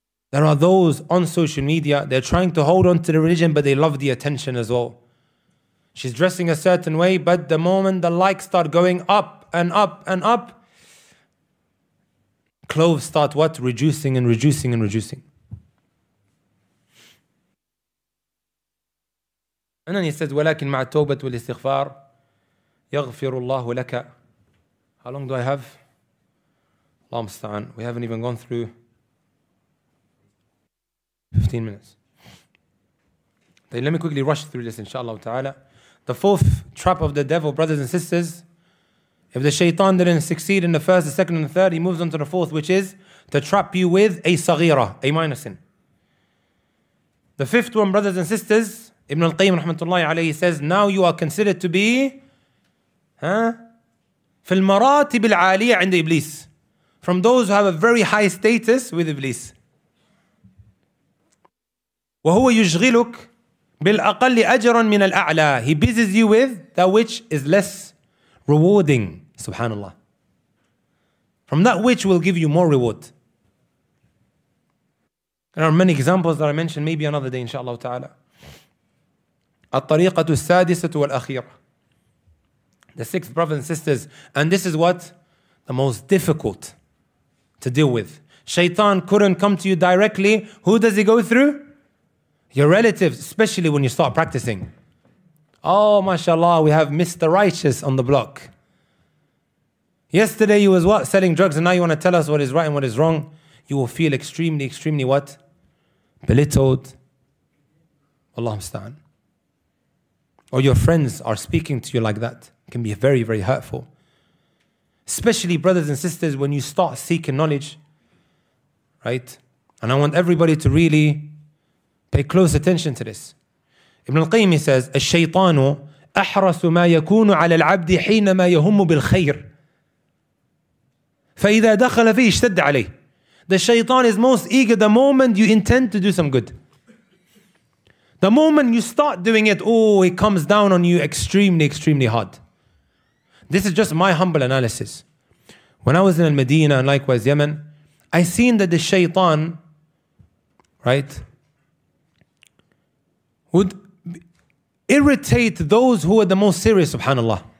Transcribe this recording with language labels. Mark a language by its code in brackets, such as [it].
[en] There are those on social media, they're trying to hold on to the religion, but they love the attention as well. She's dressing a certain way, but the moment the likes start going up and up and up, clothes start what? Reducing and reducing and reducing. And then he says, [ar] وَلَكِنْ مَعَ التَّوْبَةِ وَالِاسْتِغْفَارِ يَغْفِرُ اللَّهُ لَكَ. [en] How long do I have? Allah musta'an. We haven't even gone through 15 minutes. Then let me quickly rush through this, inshaAllah ta'ala. The fourth trap of the devil, brothers and sisters, if the shaitan didn't succeed in the first, the second, and the third, he moves on to the fourth, which is to trap you with a saghira, a minor sin. The fifth one, brothers and sisters, Ibn al-Qayyim rahmatullahi alayhi says, now you are considered to be, [ar] في المراتب العالية عند [en] Iblis. From those who have a very high status with Iblis. [ar] وهو يشغلك بالأقل أجرا من الأعلى. [en] He busies you with that which is less rewarding. Subhanallah. From that which will give you more reward. There are many examples that I mentioned, maybe another day, inshallah ta'ala. [ar] الطريقة السادسة والأخيرة. [en] The sixth, brothers and sisters, and this is what? The most difficult to deal with. Shaitan couldn't come to you directly. Who does he go through? Your relatives, especially when you start practicing. Oh, mashallah, we have Mr. Righteous on the block. Yesterday you was what? Selling drugs, and now you want to tell us what is right and what is wrong. You will feel extremely, extremely what? Belittled. Allah musta'an. Or your friends are speaking to you like that. It can be very, very hurtful. Especially brothers and sisters, when you start seeking knowledge, right? And I want everybody to really pay close attention to this. [ar] Ibn al-Qayyim [en] says, [ar] الشيطان أحرص ما يكون على العبد حينما يهم بالخير. فإذا دخل فيه اشتد عليه. [en] The shaitan is most eager the moment you intend to do some good. The moment you start doing it, oh, it comes down on you extremely, extremely hard. This is just my humble analysis. When I was in Al-Madinah and likewise Yemen, I seen that the shaitan, right, would irritate those who are the most serious, subhanAllah.